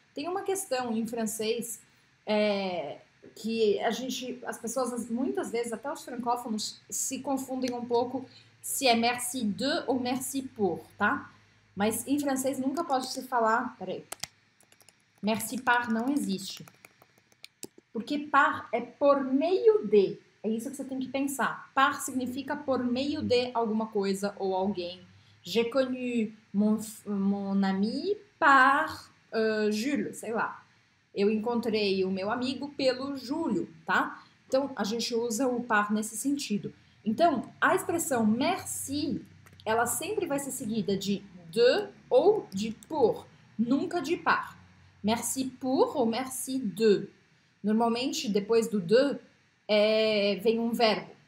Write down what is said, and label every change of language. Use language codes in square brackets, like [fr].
[pt] Tem uma questão em francês que as pessoas, muitas vezes, até os francófonos, se confundem um pouco se é merci de ou merci pour, tá? Mas em francês nunca pode se falar, peraí, merci par não existe. Porque par é por meio de. É isso que você tem que pensar. Par significa por meio de alguma coisa ou alguém. [fr] J'ai connu mon ami par Jules, sei lá. [pt] Eu encontrei o meu amigo pelo Júlio, tá? Então, a gente usa o par nesse sentido. Então, a expressão merci, ela sempre vai ser seguida de ou de por, nunca de par. Merci pour ou merci de. Normalmente, depois do de, vem um verbo.